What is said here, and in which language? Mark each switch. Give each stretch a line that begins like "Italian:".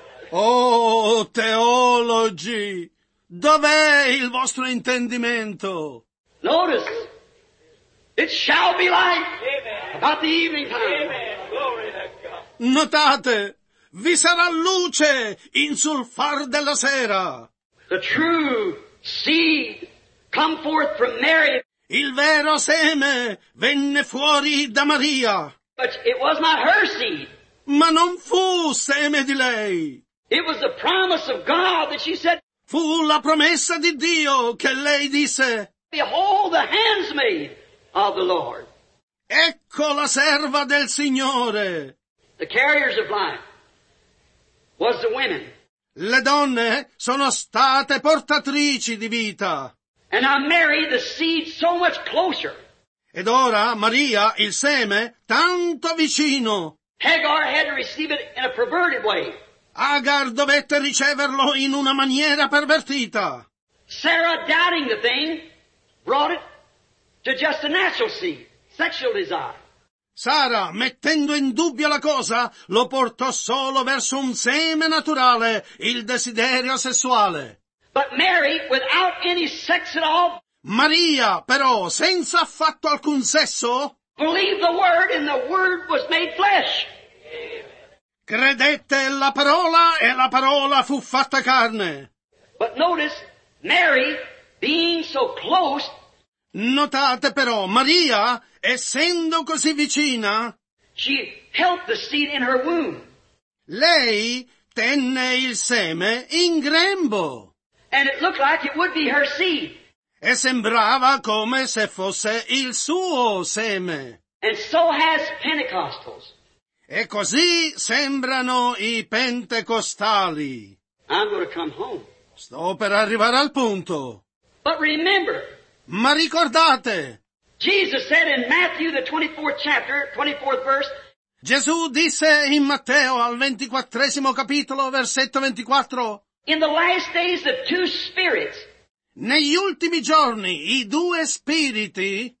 Italian: Oh, teologi, dov'è il vostro intendimento?
English: Notice, it shall be light about the evening time. Amen. Glory to God.
Italian: Notate, vi sarà luce in sul far della sera.
English: The true seed. Come forth from Mary.
Italian: Il vero seme venne fuori da Maria.
English: But it was not her seed.
Italian: Ma non fu seme di lei.
English: It was the promise of God that she said.
Italian: Fu la promessa di Dio che lei disse.
English: Behold the handmaid of the Lord.
Italian: Ecco la serva del Signore.
English: The carriers of life was the women.
Italian: Le donne sono state portatrici di vita.
English: And I marry the seed so much closer.
Italian: Ed ora Maria, il seme, tanto vicino.
English: Hagar had to receive it in a perverted way.
Italian: Hagar dovette riceverlo in una maniera pervertita.
English: Sarah, doubting the thing, brought it to just a natural seed, sexual desire.
Italian: Sara, mettendo in dubbio la cosa, lo portò solo verso un seme naturale, il desiderio sessuale.
English: But Mary, without any sex at all,
Italian: Maria, però, senza affatto alcun sesso,
English: believed the word and the word was made flesh.
Italian: Credette la parola e la parola fu fatta carne.
English: But notice, Mary, being so close,
Italian: notate però, Maria, essendo così vicina,
English: she held the seed in her womb.
Italian: Lei tenne il seme in grembo.
English: And it looked like it would be her seed.
Italian: E sembrava come se fosse il suo seme.
English: And so has Pentecostals.
Italian: E così sembrano i pentecostali.
English: I'm going to come home.
Italian: Sto per arrivare al punto.
English: But remember.
Italian: Ma ricordate.
English: Jesus said in Matthew, the 24th chapter, 24th verse.
Italian: Gesù disse in Matteo, al 24 capitolo, versetto 24.
English: In the last days of two spirits.
Italian: Negli ultimi giorni, i due spiriti.